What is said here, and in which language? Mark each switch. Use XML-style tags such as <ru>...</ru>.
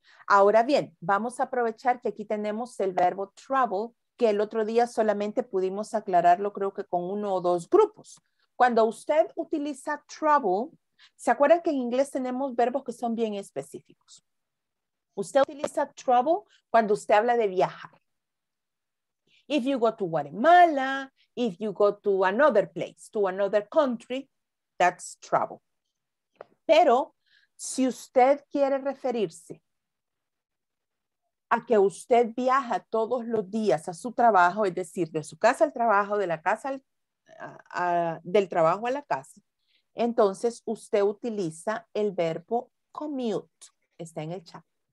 <es>Ahora bien, vamos a aprovechar que aquí tenemos el verbo travel, que el otro día solamente pudimos aclararlo, creo que con uno o dos grupos. Cuando usted utiliza travel, ¿se acuerdan que en inglés tenemos verbos que son bien específicos? Usted utiliza travel cuando usted habla de viajar.</es> <en>If you go to Guatemala, if you go to another place, to another country, that's travel.</en> <es>Pero si usted quiere referirse a que usted viaja todos los días a su trabajo, es decir, de su casa al trabajo, de la casa al, del trabajo a la casa, entonces usted utiliza el verbo commute. Está en el chat.</es>